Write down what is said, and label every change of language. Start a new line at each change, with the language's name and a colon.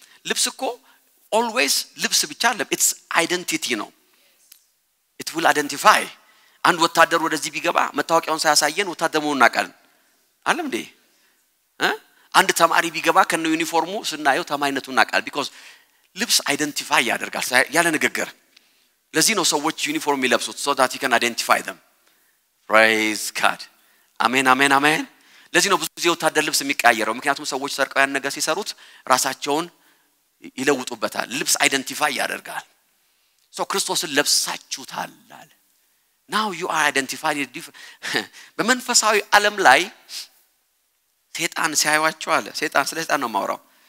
Amharic: ልብስ እኮ always ልብስ ብቻ አይደለም, its identity ነው.
English: It will identify.
Amharic: አንድ ወታደር ወደዚህ ቢገባ መታወቂያውን ሳያሳየን ወታደር መሆኑን አቃለን አይደል እንዴ? አንድ ተማሪ ቢገባ ከነ ዩኒፎርሙ ስናየው ተማሪነቱን አቃል, because ልብስ identify ያደርጋል ያለ ንግግር. ለዚህ ነው ሰዎች ዩኒፎርም ይለብሱት,
English: so that you can identify them. Praise God. Amen, amen, amen.
Amharic: ለዚህ ነው ብዙ ጊዜ ወታደር ልብስ የሚቀያየረው, ምክንያቱም ሰዎች ሰርቀው ያን ነገር ሲሰሩት ራሳቸውን ይለውጡበታል. ልብስ identify ያደርጋል. So ክርስቶስን ለብሳችሁታል አለ.
English: Now you are identified with
Amharic: በመንፈሳዊ ዓለም ላይ ሰይጣን ሲያያችሁ አለ. ሰይጣን ስለ ሰይጣን ነው ማውራው.